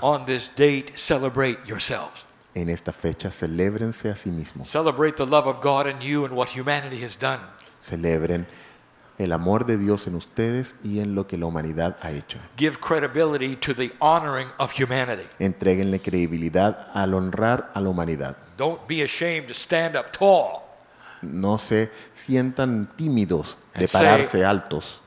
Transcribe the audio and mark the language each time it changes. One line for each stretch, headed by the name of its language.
English: On this date, celebrate yourselves.
Spanish: En esta fecha celébrense a sí mismos.
English: Celebrate the love of God in you and what humanity has done.
Spanish: Celebren el amor de Dios en ustedes y en lo que la humanidad ha hecho.
English: Give credibility to the honoring of humanity.
Spanish: Entréguenle credibilidad al honrar a la humanidad.
English: Don't be ashamed to stand up tall.
Spanish: No se sientan tímidos de pararse altos.